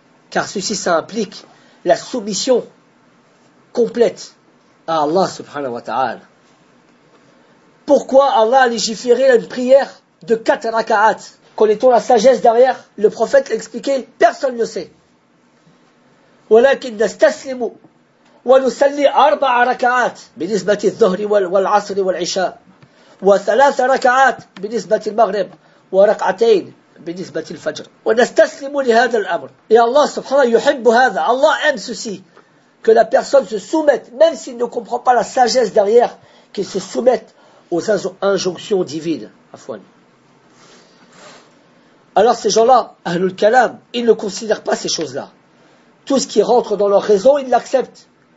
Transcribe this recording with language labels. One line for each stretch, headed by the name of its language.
French: Car ceci, ça implique la soumission complète à Allah subhanahu wa ta'ala. Pourquoi Allah a légiféré une prière de 4 raka'at? Connaît-on la sagesse derrière? Le prophète l'expliquait, personne ne sait.
Arabic: وَلَكِنْ نَسْتَسْلِمُوا وَنُسَلِّي 4 raka'at بِنِسْبَةِ الظَّهْرِ وَالْعَصْرِ وَالْعِشَاء وَثَلَاثَ raka'at بِنِسْبَةِ الْمَغْرِبِ وَرَكْعَتَيْنِ بِنِسْبَةِ الْفَجْرِ وَنَسْتَسْلِمُوا لِهَذَا الْأَمْرِ.
French: Et Allah
Arabic: subhanahu yuhibbu hadha.
French: Allah aime ceci. Que la personne se soumette, même s'il ne comprend pas la sagesse derrière, qu'il se soumette aux injonctions divines. Alors ces gens-là, Ahlul Kalam, ils ne considèrent pas ces choses-là. Tout ce qui rentre dans leur raison, ils l'acceptent.